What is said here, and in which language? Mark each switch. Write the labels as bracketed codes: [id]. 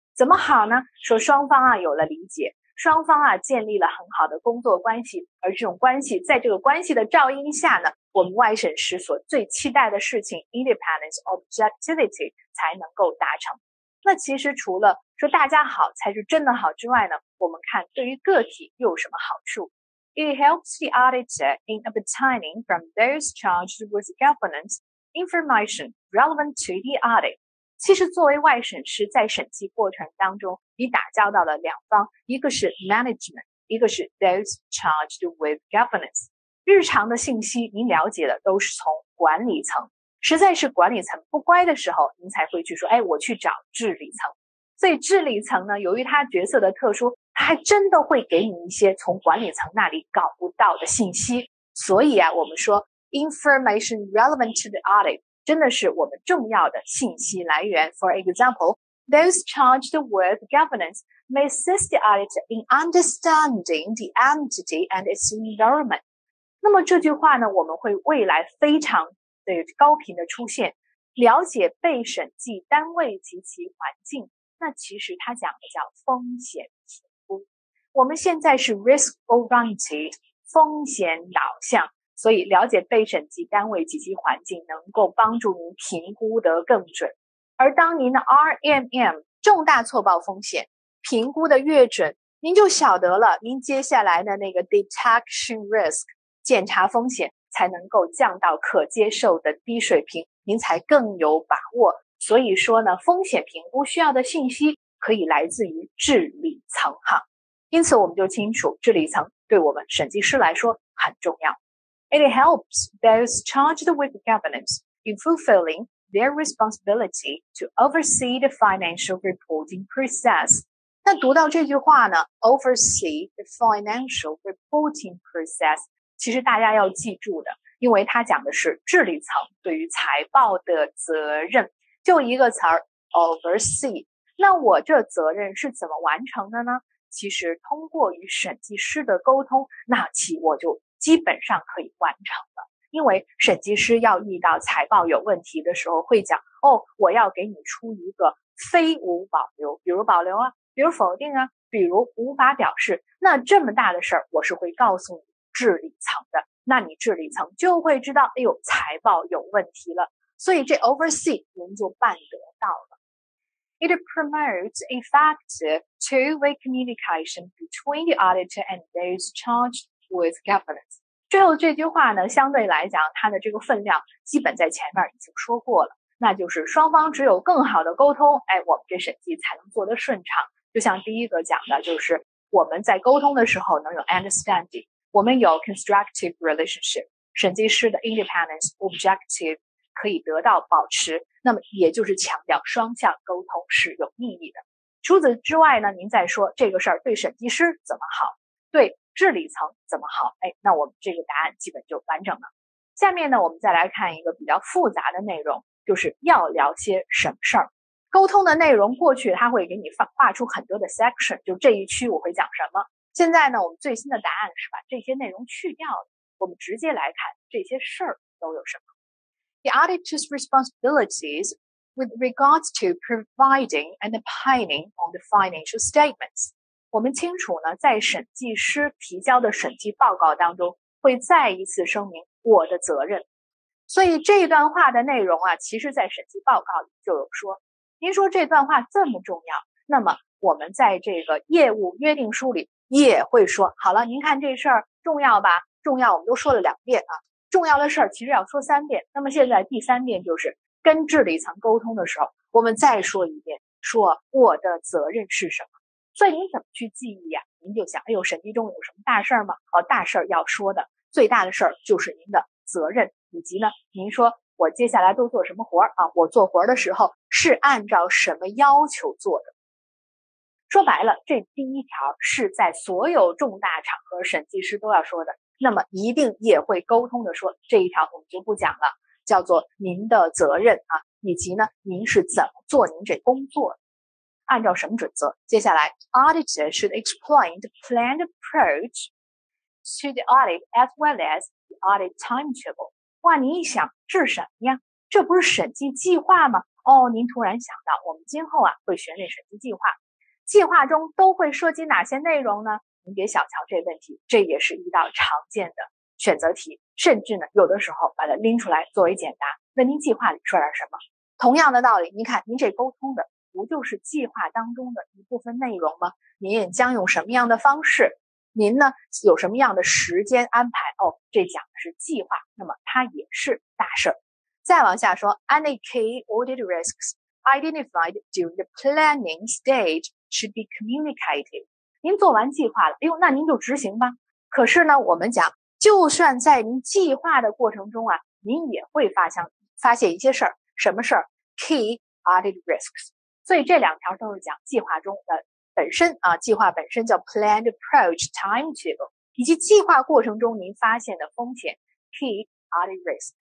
[zh] 怎么好呢？说双方啊有了理解，双方啊建立了很好的工作关系，而这种关系在这个关系的照应下呢，我们外审师所最期待的事情 [en] independence objectivity [zh] 才能够达成。那其实除了说大家好才是真的好之外呢，我们看对于个体又有什么好处？ [en] It helps the auditor in obtaining from those charged with governance information relevant to the audit。 [zh] 其实作为外审师，在审计过程当中，你打交道的两方，一个是 management， 一个是 [en] those charged with governance。 [zh] 日常的信息您了解的都是从管理层，实在是管理层不乖的时候，您才会去说，哎，我去找治理层。所以治理层呢，由于他角色的特殊，他还真的会给你一些从管理层那里搞不到的信息。所以啊，我们说 [en] information relevant to the audit [zh] 真的是我们重要的信息来源。 [en] For example, those charged with governance may assist the auditor in understanding the entity and its environment。 [zh] 那么这句话呢，我们会未来非常的高频的出现，了解被审计单位及其环境。那其实它讲的叫风险评估。我们现在是 [en] risk oriented， [zh] 风险导向，所以了解被审计单位及其环境能够帮助您评估得更准。而当您的 RMM 重大错报风险评估的越准，您就晓得了您接下来的那个 [en] detection risk [zh] 检查风险才能够降到可接受的低水平，您才更有把握。所以说呢，风险评估需要的信息可以来自于治理层哈。因此我们就清楚，治理层对我们审计师来说很重要。 [en] It helps those charged with governance in fulfilling their responsibility to oversee the financial reporting process。 [zh] 那读到这句话呢 ， [en] oversee the financial reporting process。 [zh] 其实大家要记住的，因为它讲的是治理层对于财报的责任，就一个词儿 oversee。那我这责任是怎么完成的呢？其实通过与审计师的沟通，那其我就基本上可以完成了。因为审计师要遇到财报有问题的时候，会讲哦，我要给你出一个非无保留，比如保留啊，比如否定啊，比如无法表示。那这么大的事儿，我是会告诉你治理层的，那你治理层就会知道，哎呦，财报有问题了，所以这 oversee 您就办得到了。 [en] It promotes effective two-way communication between the auditor and those charged with governance。 [zh] 最后这句话呢，相对来讲，它的这个分量基本在前面已经说过了，那就是双方只有更好的沟通，哎，我们这审计才能做得顺畅。就像第一个讲的，就是我们在沟通的时候能有 understanding。我们有 [en] constructive relationship， [zh] 审计师的 [en] independence objective [zh] 可以得到保持，那么也就是强调双向沟通是有意义的。除此之外呢，您再说这个事儿对审计师怎么好，对治理层怎么好，哎，那我们这个答案基本就完整了。下面呢，我们再来看一个比较复杂的内容，就是要聊些什么事儿。沟通的内容过去他会给你画出很多的 section， 就这一区我会讲什么。现在呢，我们最新的答案是把这些内容去掉了，我们直接来看这些事儿都有什么。 [en] The auditor's responsibilities with regards to providing and opining on the financial statements。 [zh] 我们清楚呢，在审计师提交的审计报告当中会再一次声明我的责任。所以这一段话的内容啊，其实在审计报告里就有说。您说这段话这么重要，那么我们在这个业务约定书里也会说，好了，您看这事儿重要吧？重要，我们都说了两遍啊。重要的事儿其实要说三遍，那么现在第三遍就是跟治理层沟通的时候，我们再说一遍，说我的责任是什么。所以您怎么去记忆啊？您就想，哎呦，审计中有什么大事儿吗？哦，大事儿要说的最大的事儿就是您的责任，以及呢，您说我接下来都做什么活啊？我做活的时候是按照什么要求做的？说白了，这第一条是在所有重大场合审计师都要说的，那么一定也会沟通的说，这一条我们就不讲了，叫做您的责任啊，以及呢，您是怎么做您这工作的，按照什么准则。接下来 [en] Auditor should explain the planned approach to the audit as well as the audit timetable。 [zh] 哇，您一想，这是什么呀？这不是审计计划吗？哦，您突然想到，我们今后啊会学那审计计划，计划中都会涉及哪些内容呢？您别小瞧这问题，这也是一道常见的选择题，甚至呢，有的时候把它拎出来作为简答，问您计划里说点什么。同样的道理，您看您这沟通的不就是计划当中的一部分内容吗？您将用什么样的方式？您呢，有什么样的时间安排？哦，这讲的是计划，那么它也是大事。再往下说 [en] ,Any key audit risks identified during the planning stage should be communicated。 [zh] 您做完计划了，哎呦，那您就执行吧。可是呢，我们讲，就算在您计划的过程中啊，您也会发现一些事儿。什么事儿？ [en] Key audit risks。 [zh] 所以这两条都是讲计划中的本身啊，计划本身叫 [en] planned approach timetable， [zh] 以及计划过程中您发现的风险 [en] key audit risk。